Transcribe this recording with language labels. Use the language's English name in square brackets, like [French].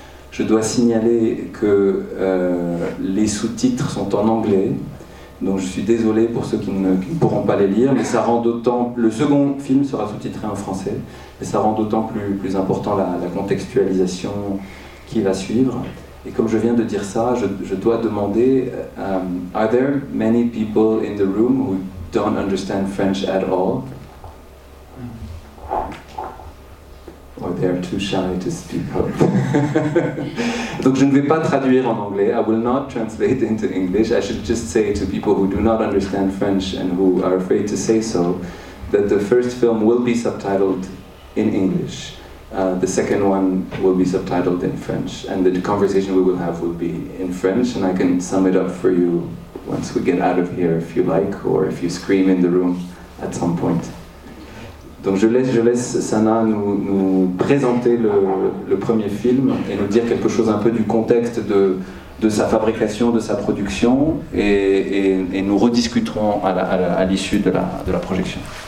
[French] Je dois signaler que les sous-titres sont en anglais, donc je suis désolé pour ceux qui ne pourront pas les lire, mais ça rend d'autant... Le second film sera sous-titré en français, mais ça rend d'autant plus important la contextualisation qui va suivre. Et comme je viens de dire ça, je dois demander [English] are there many people in the room who don't understand French at all? Or they are too shy to speak up? [French] Donc je ne vais pas traduire en anglais. [English] I will not translate into English. I should just say to people who do not understand French and who are afraid to say so, that the first film will be subtitled in English. The second one will be subtitled in French, and the conversation we will have will be in French, and I can sum it up for you once we get out of here, if you like, or if you scream in the room at some point. [French] Donc je laisse Sana nous présenter le premier film et nous dire quelque chose un peu du contexte de sa fabrication, de sa production, et nous rediscuterons à l'issue de la projection.